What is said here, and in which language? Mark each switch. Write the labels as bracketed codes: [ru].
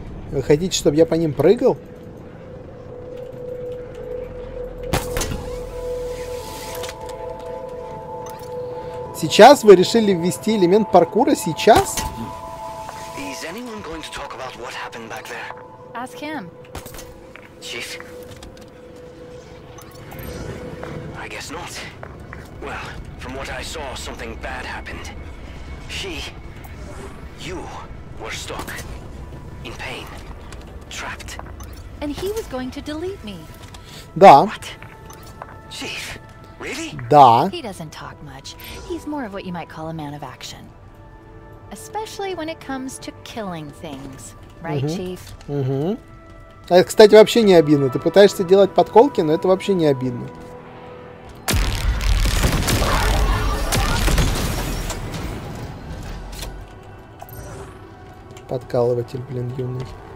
[ru] Вы хотите, чтобы я по ним прыгал? Сейчас вы решили ввести элемент паркура? Сейчас? [en] Is anyone going to talk about what happened back there? Ask him. Chief? I guess not. Well, from what I saw, something bad happened. She... You were stuck. In pain. Trapped. And he was going to delete me. [ru] Да. [en] What? Chief, really? [ru] Да. [en] He doesn't talk much. He's more of what you might call a man of action. Especially when it comes to killing things. Right, Chief? [ru] Угу. А это, кстати, вообще не обидно. Ты пытаешься делать подколки, но это вообще не обидно. Подкалыватель, блин, юный.